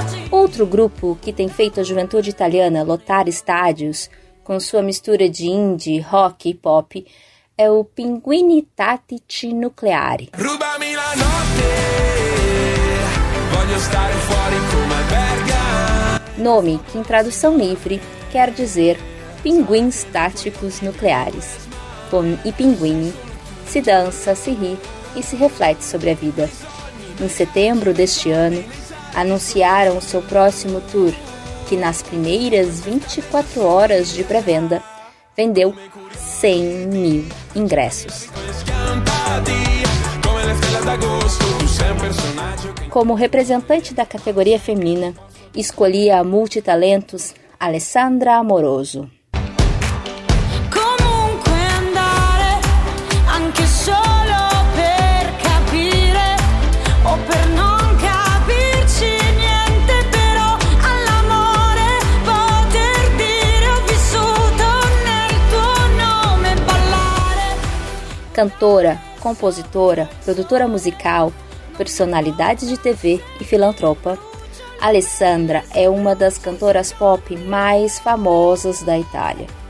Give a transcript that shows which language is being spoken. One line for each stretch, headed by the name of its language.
Portuguese: Outro grupo que tem feito a juventude italiana lotar estádios com sua mistura de indie, rock e pop é o Pinguini Tattici Nucleari.
Italian: Rubami la notte, voglio stare fuori come Berga.
Portuguese: Nome que em tradução livre quer dizer pinguins táticos nucleares. Com e pinguini, se dança, se ri e se reflete sobre a vida. Em setembro deste ano, anunciaram o seu próximo tour, que nas primeiras 24 horas de pré-venda, vendeu 100 mil ingressos. Como representante da categoria feminina, escolhi a multitalentos Alessandra Amoroso.
Italian: Comunque andare anche solo per capire o per non capirci niente, però all'amore poter dire ho vissuto nel tuo nome ballare.
Portuguese: Cantora, compositora, produtora musical, personalidade de TV e filantropa, Alessandra é uma das cantoras pop mais famosas da Itália.